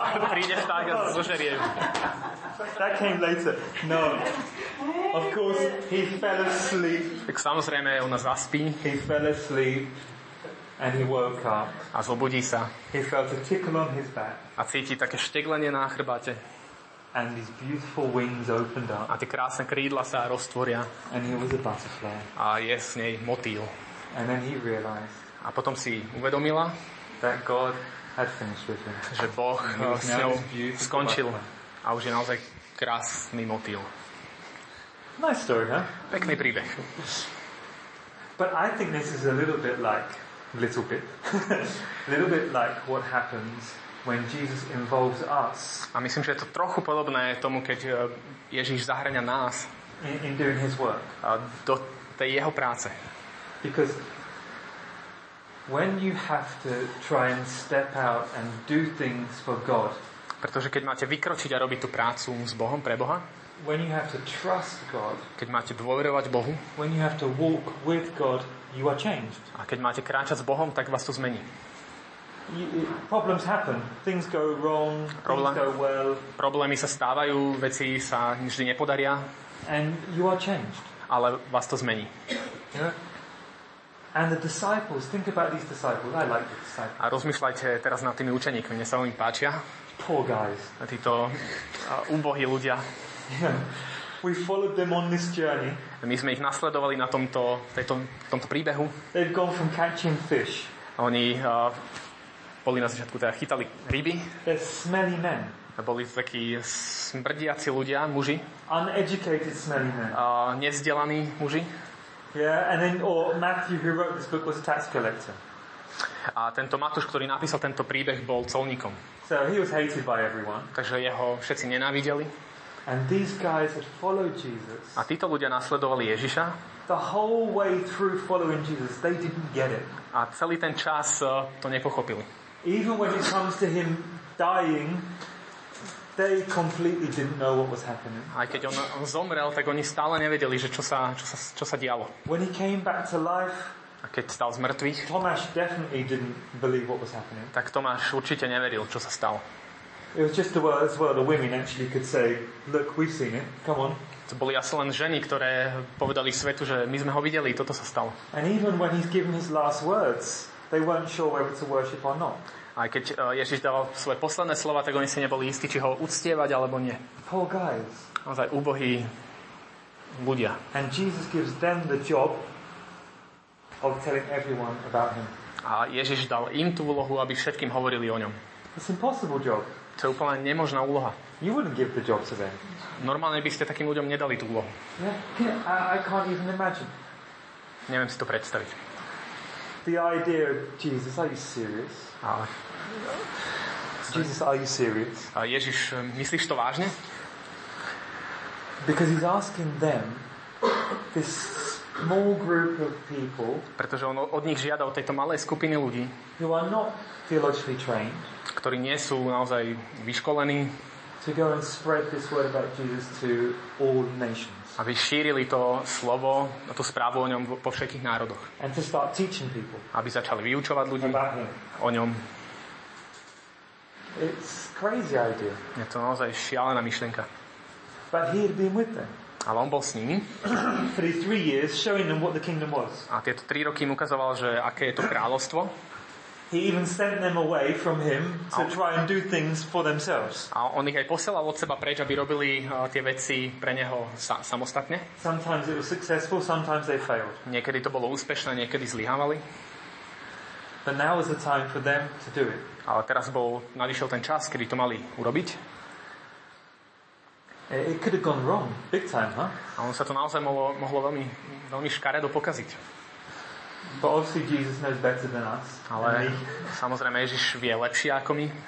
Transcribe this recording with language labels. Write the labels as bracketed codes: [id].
[sk] Príde vták a zožerie. [en] That came later. No. Of course, he fell asleep. [sk] Tak samozrejme, on zaspí. [en] He fell asleep. And he woke up. [sk] A zobudí sa. [en] He felt a tickle on his back. [sk] A cíti také šteglenie na chrbáte. [en] And his beautiful wings opened up. [sk] A tie krásne krídla sa roztvoria. [en] And he was a butterfly. [sk] A je s nej motýl. [en] And then he realized. [sk] A potom si uvedomila, [en] that God had finished with him. [sk] Že Boh s ňou skončil. A už je naozaj krásny motýl. [en] Nice story, huh? [sk] Pekný príbeh. [en] But I think this is a little bit like a little bit like what happens when Jesus involves us. [sk] A myslím, že je to trochu podobné tomu, keď Ježíš zahŕňa nás [en] in doing his work. [sk] A do tej jeho práce. [en] Because when you have to try and step out and do things for God. [sk] Pretože keď máte vykročiť a robiť tú prácu s Bohom pre Boha. [en] When you have to trust God. [sk] Keď máte dôverovať Bohu. [en] When you have to walk with God, you are changed. [sk] A keď máte kráčať s Bohom, tak vás to zmení. [en] Problems happen. Things go wrong. Things go well. [sk] Problémy sa stávajú, veci sa vždy nepodaria. [en] And you are changed. [sk] Ale vás to zmení. [en] Yeah. And the disciples, think about these disciples. I like the disciples. [sk] A rozmýšľajte teraz nad tými učeníkmi. Mne sa oni páčia. [en] Poor guys. [sk] Títo ubohí ľudia. [en] Yeah. We followed them on this journey. [sk] My sme ich nasledovali na tomto príbehu. [en] They've gone from catching fish. [sk] Oni boli na začiatku, teda chytali ryby. [en] They're smelly men. [sk] Boli to takí smrdiaci ľudia, muži. [en] Uneducated smelly men. [sk] Nevzdelaní muži. [en] Yeah, and then or Matthew, who wrote this book, was a tax collector. [sk] A tento Matúš, ktorý napísal tento príbeh, bol colníkom. [en] So he was hated by everyone. [sk] Takže jeho všetci nenávideli. [en] And these guys had followed Jesus. [sk] A títo ľudia nasledovali Ježiša. [en] The whole way through following Jesus, they didn't get it. [sk] A celý ten čas to nepochopili. [en] Even when it comes to him dying, they completely didn't know what was happening. [sk] Aj keď on zomrel, tak oni stále nevedeli, že čo sa dialo. [en] When he came back to life, [sk] a keď stal z mŕtvych, [en] Tomáš definitely didn't believe what was happening. [sk] Tak Tomáš určite neveril, čo sa stalo. [en] It was just the world, as well, the women actually could say, look, we've seen it, come on. [sk] To boli asi len ženy, ktoré povedali svetu, že my sme ho videli, toto sa stalo. [en] And even when he's given his last words, they weren't sure whether to worship or not. [sk] Aj keď Ježiš dal svoje posledné slova, tak oni si neboli istí, či ho uctievať alebo nie. [en] Poor guys. [sk] Naozaj úbohí ľudia. [en] And Jesus gives them the job of telling everyone about him. [sk] A Ježiš dal im tú úlohu, aby všetkým hovorili o ňom. [en] It's an impossible job. [sk] To je úplne nemožná úloha. [en] You wouldn't give the job to them. [sk] Normálne by ste takým ľuďom nedali tú úlohu. [en] Yeah, I can't even imagine. [sk] Neviem si to predstaviť. [en] The idea of Jesus, are you serious? [sk] Ale. [en] Jesus, are you serious? [sk] A Ježiš, myslíš to vážne? [en] Because he's asking them, this small group of people, [sk] pretože on od nich žiada, od tejto malej skupiny ľudí, [en] who are not theologically trained, [sk] ktorí nie sú naozaj vyškolení, [en] to go and spread this word about Jesus to all nations. [sk] Aby šírili to slovo a tú správu o ňom po všetkých národoch. [en] And to start teaching people. [sk] Aby začali vyučovať ľudí [en] about him. [sk] O ňom. [en] It's crazy idea. [sk] Je to naozaj šialená myšlienka. [en] But he had been with them. [sk] Ale on bol s nimi. [en] For these 3 years, showing them what the kingdom was. [sk] A tieto 3 roky im ukazoval, že aké je to kráľovstvo. [en] He even sent them away from him to try and do things for themselves. [sk] A on ich aj posielal od seba preč, aby robili tie veci pre neho samostatne. [en] Sometimes it was successful, sometimes they failed. [sk] Niekedy to bolo úspešné, niekedy zlyhávali. [en] But now is the time for them to do it. [sk] Ale teraz bol nadišiel ten čas, kedy to mali urobiť. [en] It could have gone wrong big time, huh? [sk] A on sa to naozaj mohlo veľmi, veľmi škaredo pokaziť. [en] But obviously Jesus knows better than us. [sk] Ale samozrejme Ježiš vie lepšie ako my.